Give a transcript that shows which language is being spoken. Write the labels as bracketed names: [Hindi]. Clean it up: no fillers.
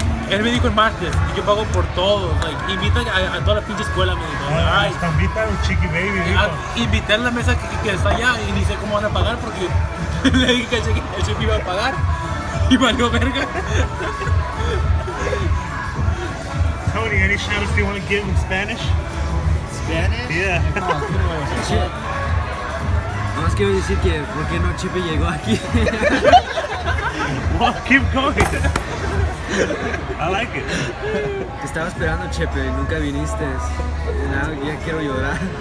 [Spanish] Él me dijo el martes y yo pago por todo. Like, invita a toda la pinche escuela, me dijo. Hasta invita a un chiqui baby. Invité a la mesa que está allá y ni sé cómo van a pagar porque le dije que el chiqui iba a pagar y valió verga. [English] Tony, any shoutouts you want to give in Spanish? Spanish? Yeah. [Spanish] Nomás quiero decir que por qué no Chipe llegó aquí. [English] Well, keep going. I like it. [Spanish] Te estaba esperando, Chepe, nunca viniste. Ya quiero llorar.